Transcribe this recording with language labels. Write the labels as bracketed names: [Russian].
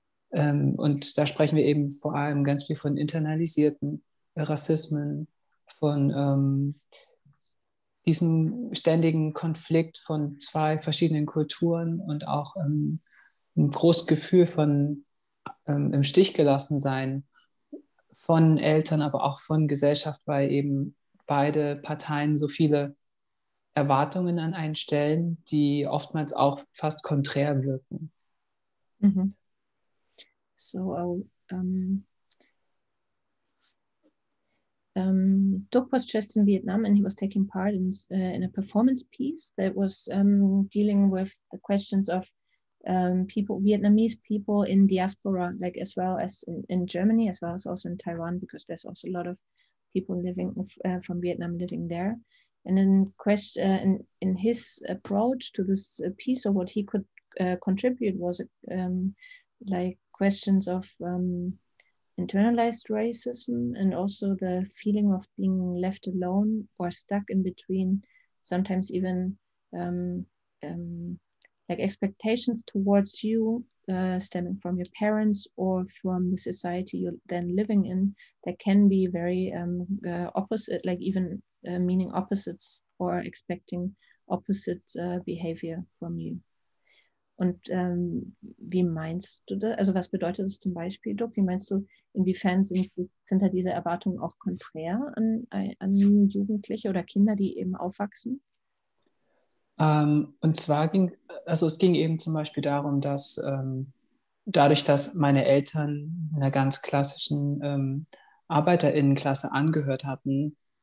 [German] Und da sprechen wir eben vor allem ganz viel von internalisierten Rassismen, von diesem ständigen Konflikt von zwei verschiedenen Kulturen und auch ein großes Gefühl von im Stich gelassen sein von Eltern, aber auch von Gesellschaft, weil eben beide Parteien so viele Erwartungen an einen stellen, die oftmals auch fast konträr wirken. Mhm. [English] So, Duc was just in Vietnam and he was taking part in a performance piece that was dealing with the questions of Vietnamese people in diaspora, like as well as in Germany, as well as also in Taiwan, because there's also a lot of people living from Vietnam living there. And in his approach to this piece, or what he could contribute, was like questions of internalized racism and also the feeling of being left alone or stuck in between, sometimes even like expectations towards you stemming from your parents or from the society you're then living in, that can be very opposite, like even meaning opposites or expecting opposite behavior from you. [German] Und wie meinst du das? Also was bedeutet das zum Beispiel, Duc? Wie meinst du, inwiefern sind da diese Erwartungen auch konträr an Jugendliche oder Kinder, die eben aufwachsen? Und zwar ging es eben zum Beispiel darum, dass dadurch, dass meine Eltern einer ganz klassischen ArbeiterInnenklasse angehört hatten,